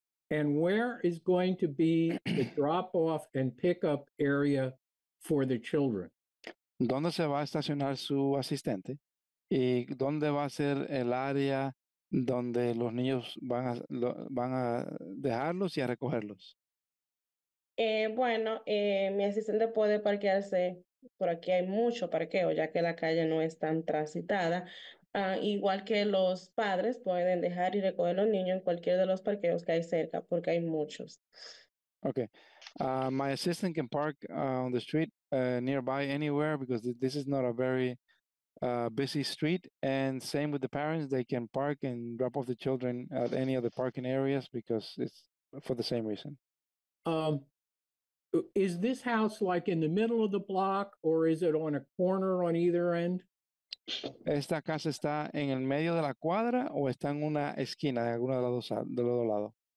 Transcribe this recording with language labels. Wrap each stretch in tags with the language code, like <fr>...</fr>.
<en>And where is going to be the drop-off and pick-up area for the children?</en> <es>¿Dónde se va a estacionar su asistente? ¿Y dónde va a ser el área donde los niños van a dejarlos y a recogerlos? Mi asistente puede parquearse, por aquí hay mucho parqueo, ya que la calle no es tan transitada. Igual que los padres pueden dejar y recoger a los niños en cualquier de los parqueos que hay cerca, porque hay muchos.</es> <en>Okay. My assistant can park on the street nearby anywhere because this is not a very busy street. And same with the parents, they can park and drop off the children at any of the parking areas because it's for the same reason. Is this house like in the middle of the block or is it on a corner on either end?</en> <es>¿Esta casa está en el medio de la cuadra o está en una esquina de alguno de los dos lados?</es>